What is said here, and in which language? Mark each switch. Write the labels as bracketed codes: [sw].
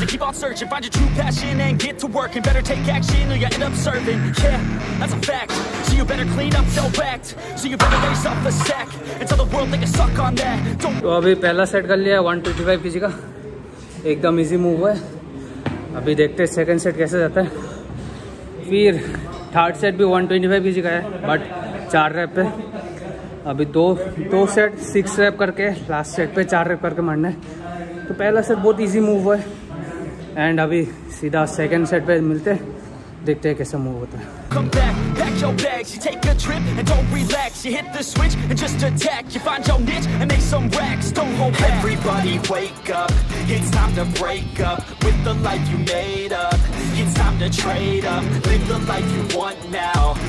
[en] Searching, find your true passion and get to work, and better take action or you end up serving. Yeah, that's a fact. So you better clean up your act. So you better get yourself a sack and tell the world they can suck on that. Don't. [hi] तो अभी पहला set कर लिया 125 किसी का, एकदम easy move है। अभी देखते हैं सेकंड सेट कैसे जाता है। फिर थर्ड सेट भी 125 किसी का है, बट चार रैप पे। अभी दो सेट 6 रैप करके, लास्ट सेट पे 4 रैप करके मारना है। तो पहला सेट बहुत इजी मूव है एंड अभी सीधा सेकंड सेट पे मिलते हैं, देखते हैं कैसा मूव होता है। [en] Your bags, you take a trip and don't relax. You hit the switch and just attack. You find your niche and make some racks. Don't hold back. Everybody wake up. It's time to break up with the life you made up. It's time to trade up. Live the life you want now.